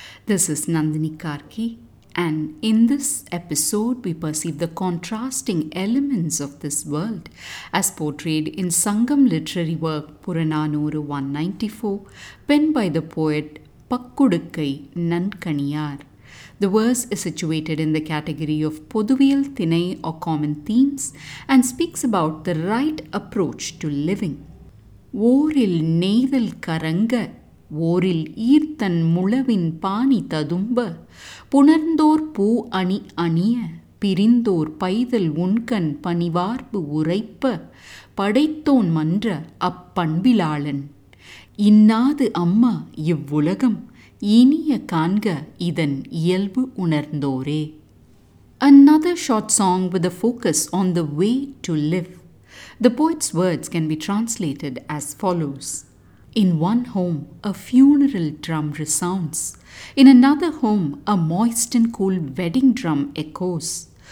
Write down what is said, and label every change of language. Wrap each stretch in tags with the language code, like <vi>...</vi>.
<en>This is Nandini Karki, and in this episode we perceive the contrasting elements of this world as portrayed in Sangam literary work Puranaanooru 194, penned by the poet Pakkudukkai Nankaniyaar. The verse is situated in the category of Pothuviyal Thinai or common themes and speaks about the right approach to living.</en> <ta>ஓரில் நெய்தல் கரங்க ஓரில் ஈர்த்தன் முளவின் பாணி ததும்ப புணர்ந்தோர் பூ அணி அணிய பிரிந்தோர் பைதல் உன்கண் பணிவார்பு உரைப்ப படைத்தோன் மன்ற அப்பண்பிலாளன் இன்னாது அம்மா இவ்வுலகம் இனிய காண்க இதன் இயல்பு உணர்ந்தோரே.</ta> <en>Another short song with a focus on the way to live. The poet's words can be translated as follows. In one home, a funeral drum resounds. In another home, a moist and cool wedding drum echoes.</en>